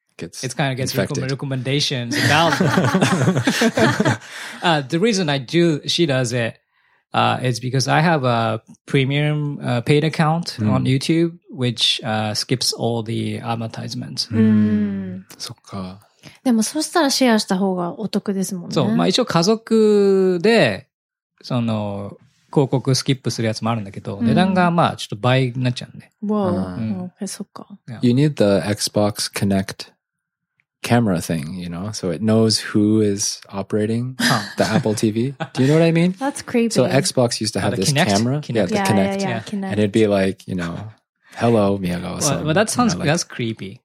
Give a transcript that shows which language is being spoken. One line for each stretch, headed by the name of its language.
English: It's kind of gets recommendations about the reason I do, she does it, is because I have a premium paid account on YouTube, which skips all the advertisements.
Japanese: そっか。でもそしたらシェアした方がお得ですもんね。そう、まあ一応家族で、その、広告スキップするやつもあるんだけど、値段がまあちょっと倍になっちゃうんで。わぁ、そっか。
English: You need the Xbox Connect. Camera thing, you know, so it knows who is operating the Apple TV. Do you know what I mean? That's creepy. So Xbox used to have this Kinect? Camera. Kinect. Yeah, the yeah, Kinect. Yeah, yeah, Kinect. And it'd be like, you know, hello, Miyagawa-san. Well, but that sounds, you know, like, that's creepy.